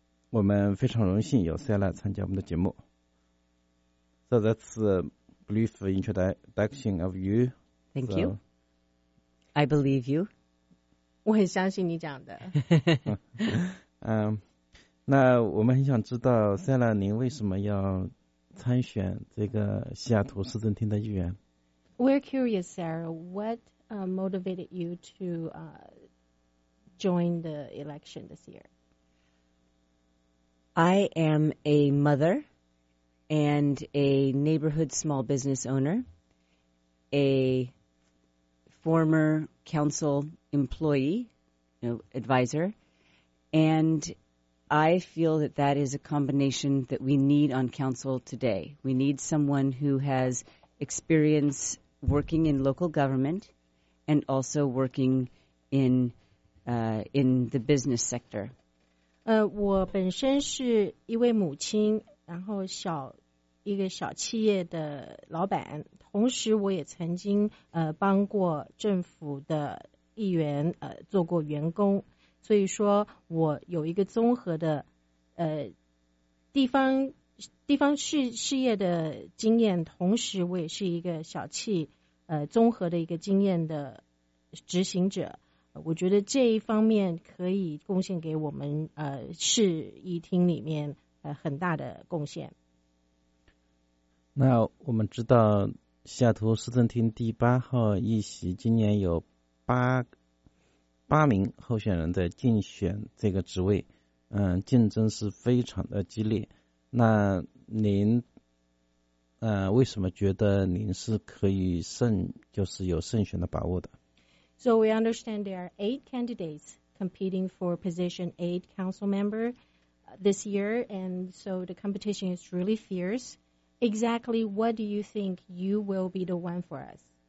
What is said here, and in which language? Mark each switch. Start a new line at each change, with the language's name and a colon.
Chinese: 我们非常荣幸有 Sarah 参加我们的节目。
English: So that's a brief introduction of you. Thank you. I believe you.
Chinese: 我很相信你讲的。那我们很想知道 Sarah， 您为什么要参选这个西雅图市政厅的议员？
English: We're curious, Sarah. What motivated you to join the election this year? I am a mother and a neighborhood small business owner, aformer council employee, advisor, and I feel that that is a combination that we need on council today. We need someone who has experience working in local government and also working in the business sector.
Chinese: 我本身是一位母亲，然后一个小企业的老板，同时我也曾经帮过政府的议员做过员工，所以说我有一个综合的地方事业的经验，同时我也是一个小企综合的一个经验的执行者，我觉得这一方面可以贡献给我们市议厅里面很大的贡献。那我们知道西雅图市政厅第八号议席今年有八名候选人在竞选这个职位，竞争是非常的激烈。那您为什么觉得您是可以有胜选的把握的？
English: So we understand there are 8 candidates competing for position 8 council member this year, and so the competition is really fierce. Exactly what do you think you will be the one for us?